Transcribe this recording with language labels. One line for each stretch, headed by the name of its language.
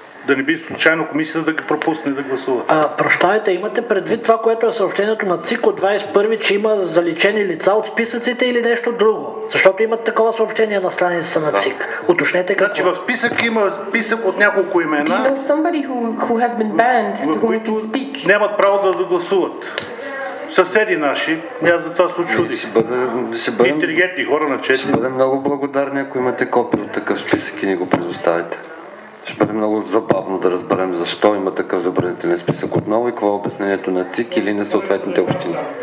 Bulgarian: Да не би случайно комисията да ги пропусне да гласува. Прощавайте, имате предвид това, което е съобщението на ЦИК от 21-ви, че има заличени лица от списъците или нещо друго? Защото имат такова съобщение на страница на ЦИК. Уточнете какво. Значи в списък има списък от няколко имена.
English: Do you know somebody who has been banned, to whom we can speak?
Bulgarian: Нямат право да гласуват. Съседи наши, аз за това се чуди. Интелигентни хора на четири. Ще бъдем много благодарни, ако имате копия от такъв списък и ни го предоставите. Ще бъде много забавно да разберем защо има такъв забранителен списък отново и какво е обяснението на ЦИК или на съответните общини.